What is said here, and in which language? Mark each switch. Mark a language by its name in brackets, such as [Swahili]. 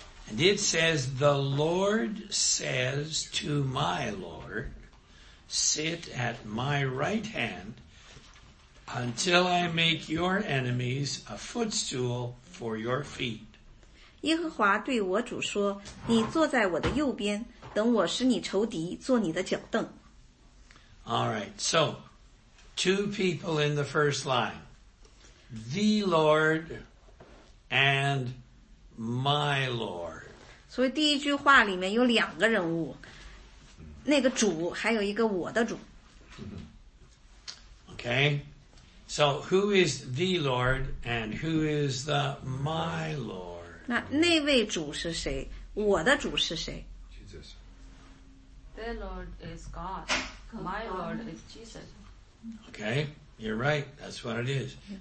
[English] And it says, The Lord says to my Lord, Sit at my right hand until I make your enemies a footstool for your feet. [Chinese] 耶和华对我主说，你坐在我的右边，等我使你仇敌做你的脚凳。 [English] All right, so,Two people in the first line. The Lord and my Lord. [Chinese] 所以第一句话里面有两个人物，那个主还有一个我的主。 [English] Okay. So who is the Lord and who is the my Lord? [Chinese] 那位主是谁？我的主是谁？ [English] Jesus. The Lord is God. My Lord is Jesus. Okay, you're right. That's what it is.